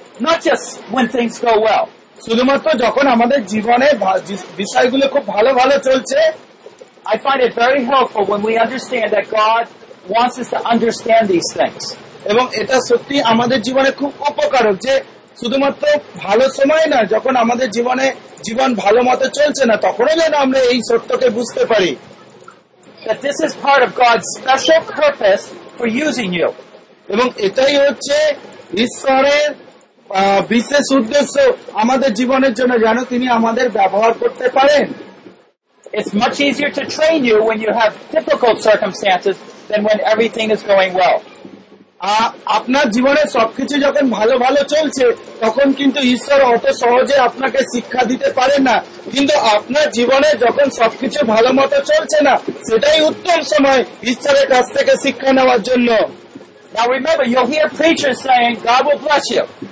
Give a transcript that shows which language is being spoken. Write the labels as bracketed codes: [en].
[en] Not just when things go well. [bn] শুধুমাত্র যখন আমাদের জীবনে বিষয়গুলো খুব ভালো ভালো চলছে। [en] I find it very helpful when we understand that God wants us to understand these things. [bn] এবং এটা সত্যি আমাদের জীবনে খুব উপকারক যে শুধুমাত্র ভালো সময় না, যখন আমাদের জীবনে জীবন ভালো মতো চলছে না, তখনও যেন আমরা এই সত্যকে বুঝতে পারি। [en] That this is part of God's special purpose for using you. [bn] এবং এটাই হচ্ছে ঈশ্বরের বিশেষ উদ্দেশ্য আমাদের জীবনের জন্য, যেন তিনি আমাদের ব্যবহার করতে পারেন। [en] It's much easier to train you when you have difficult circumstances than when everything is going well. [bn] আপনার জীবনে সবকিছু যখন ভালো ভালো চলছে তখন কিন্তু ঈশ্বর অত সহজে আপনাকে শিক্ষা দিতে পারে না, কিন্তু আপনার জীবনে যখন সবকিছু ভালো মতো চলছে না, সেটাই উত্তম সময় ঈশ্বরের কাছ থেকে শিক্ষা নেওয়ার জন্য। [en] Now remember, you hear preachers saying, God will bless you.